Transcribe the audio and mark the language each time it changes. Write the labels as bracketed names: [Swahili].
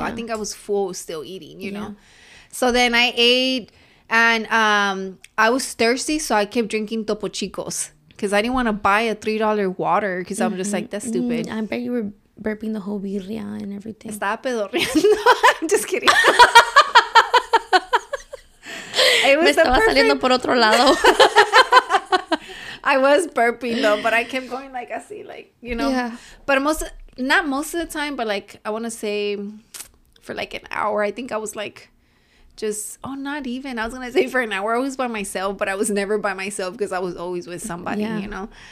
[English] Yeah. I think I was full still eating, you know? So then I ate. And I was thirsty, so I kept drinking Topo Chicos. Because I didn't want to buy a $3 water. Because mm-hmm. I'm just like, that's stupid. I bet you were burping the whole birria and everything. [Spanish] Estaba pedorreando. [English] I'm just kidding. It was me [Spanish] estaba saliendo por otro lado. [English] I was burping though, but I kept going like así, like, you know. Yeah. But not most of the time, but like, I want to say for like an hour, I think I was like, just, oh, not even. I was going to say for an hour, I was by myself, but I was never by myself because I was always with somebody, yeah. you know.